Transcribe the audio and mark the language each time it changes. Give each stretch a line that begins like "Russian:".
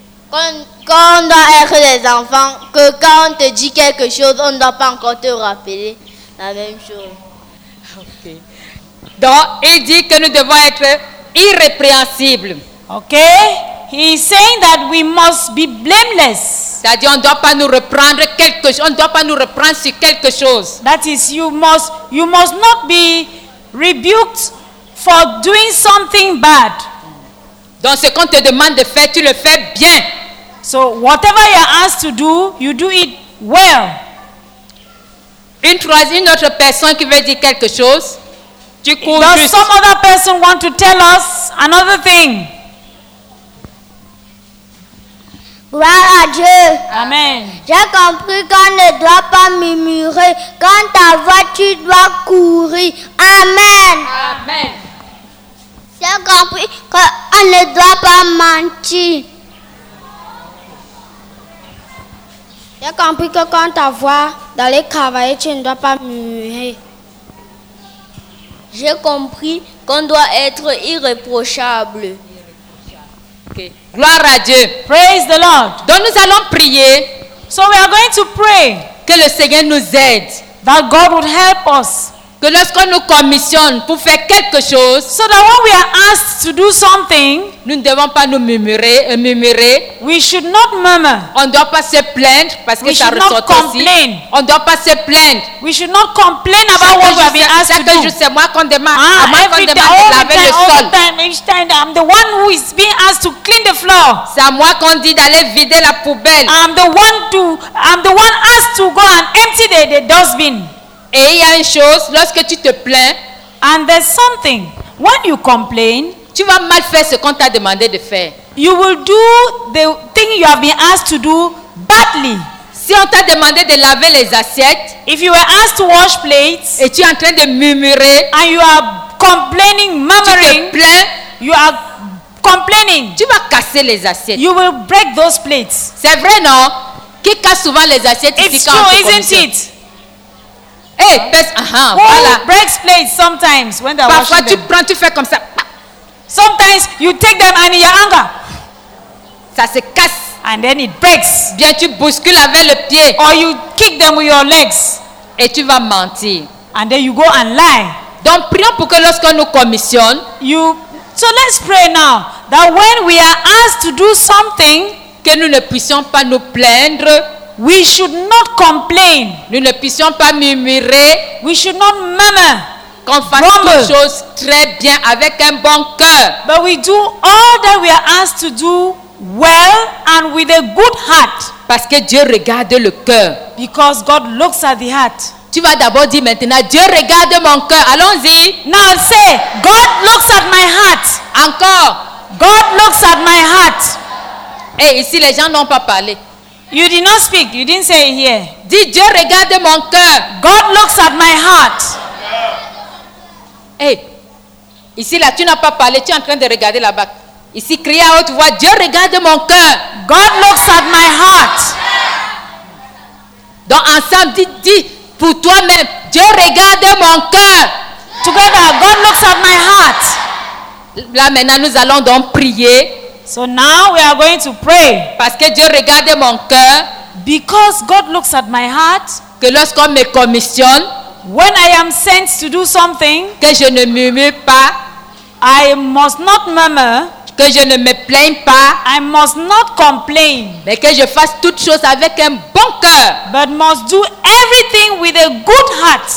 French: Qu'on doit être des enfants, que quand on te dit quelque chose, on ne doit pas encore te rappeler. La même chose.
English: Okay.
French: Donc, il dit que nous devons être irrépréhensibles.
English: Ok. He's saying that we must be blameless.
French: C'est-à-dire, on ne doit pas nous reprendre quelque chose. On ne doit pas nous reprendre sur quelque chose.
English: That is, you must not be rebuked for doing something bad.
French: Donc, ce qu'on te demande de faire, tu le fais bien.
English: So, whatever you're asked to do, you do it well.
French: Une autre personne qui veut dire quelque chose. Tu cours.
English: Does
French: juste.
English: Some other person want to tell us another thing?
French: Gloire à Dieu. Amen. J'ai compris qu'on ne doit pas murmurer. Quand ta voix, tu dois courir. Amen. Amen. J'ai compris qu'on ne doit pas mentir. J'ai compris que quand ta voix d'aller travailler, tu ne dois pas murmurer. J'ai compris qu'on doit être irréprochable. Okay. Gloire à Dieu.
English: Praise the Lord.
French: Donc nous allons prier.
English: So we are going to pray.
French: Que le Seigneur nous aide.
English: That God would help us.
French: que lorsqu'on nous commissionne pour faire quelque chose,
English: so that when we are asked to do something,
French: nous ne devons pas nous murmurer et murmurer.
English: We should not murmur.
French: On ne doit pas se plaindre parce que ça ressort aussi.
English: We should not complain.
French: On ne doit pas se plaindre.
English: We should not complain about what we have been asked to do.
French: Chaque jour, c'est moi qu'on demande. Ah, à moi qu'on demande de laver le sol.
English: All the time, each time, I'm the one who is being asked to clean the floor.
French: C'est à moi qu'on dit d'aller vider la poubelle.
English: I'm the one asked to go and empty the dustbin.
French: Et il y a une chose, lorsque tu te plains,
English: and there's something, when you complain,
French: tu vas mal faire ce qu'on t'a demandé de faire.
English: You will do the thing you have been asked to do badly.
French: Si on t'a demandé de laver les assiettes,
English: if you were asked to wash plates,
French: et tu es en train de murmurer,
English: and you are complaining, murmuring,
French: tu te plains,
English: you are complaining,
French: tu vas casser les assiettes.
English: You will break those plates.
French: C'est vrai, non? Qui casse souvent les assiettes
English: it's
French: ici quand
English: true,
French: on te
English: isn't
French: commission?
English: It? Hey, huh? Who breaks plates sometimes when they're washing them?
French: Prends, tu fais comme ça.
English: Sometimes you take them and in your anger,
French: ça se casse.
English: And then it breaks.
French: Bien, tu bouscules avec le pied.
English: Or you kick them with your legs.
French: Et tu vas mentir.
English: And then you go and lie.
French: Donc prions pour que lorsqu'on nous commissionne,
English: so let's pray now that when we are asked to do something,
French: que nous ne puissions pas nous plaindre.
English: We should not complain.
French: Nous ne puissions pas murmurer.
English: We should not murmur.
French: Qu'on fasse toutes choses très bien avec un bon cœur.
English: But we do all that we are asked to do well and with a good heart.
French: Parce que Dieu regarde le cœur.
English: Because God looks at the heart.
French: Tu vas d'abord dire maintenant, Dieu regarde mon cœur. Allons-y.
English: Now say, God looks at my heart.
French: Encore.
English: God looks at my heart.
French: Hey, ici les gens n'ont pas parlé.
English: You did not speak. You didn't say it here.
French: Dis, Dieu regarde mon cœur.
English: God looks at my heart.
French: Hey, ici là, tu n'as pas parlé. Tu es en train de regarder là-bas. Ici, crie à haute voix. Dieu regarde mon cœur.
English: God looks at my heart.
French: Donc ensemble, dis pour toi-même. Dieu regarde mon cœur.
English: Together, God looks at my heart.
French: Là maintenant, nous allons donc prier.
English: So now we are going to pray.
French: Parce que Dieu regarde mon cœur.
English: Because God looks at my heart.
French: Que lorsqu'on me commissionne,
English: when I am sent to do something,
French: que je ne murmure pas,
English: I must not murmur,
French: que je ne me plains pas,
English: I must not complain,
French: mais que je fasse toutes choses avec un bon cœur,
English: but must do everything with a good heart.